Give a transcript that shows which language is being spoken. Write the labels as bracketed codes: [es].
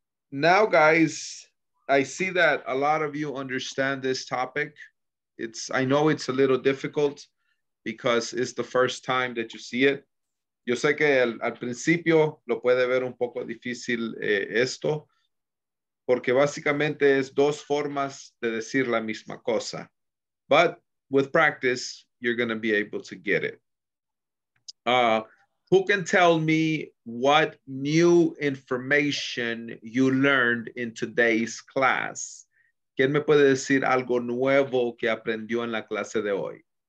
[en] Now, guys, I see that a lot of you understand this topic. I know it's a little difficult because it's the first time that you see it. [es] Yo sé que al principio lo puede ver un poco difícil esto, porque básicamente es dos formas de decir la misma cosa. [en] But with practice, you're going to be able to get it. Who can tell me what new information you learned in today's class? [es] ¿Quién me puede decir algo nuevo que aprendió en la clase de hoy?